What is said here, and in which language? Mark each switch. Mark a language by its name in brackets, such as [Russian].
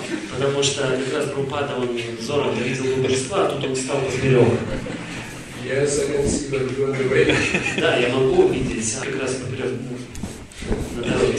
[Russian] Потому что как раз Прабхупада он взором видел божества, а тут он встал с берега. [English] Yes, I can see that you're on the way. [Russian] Да, я могу увидеть, как раз поперек на дороге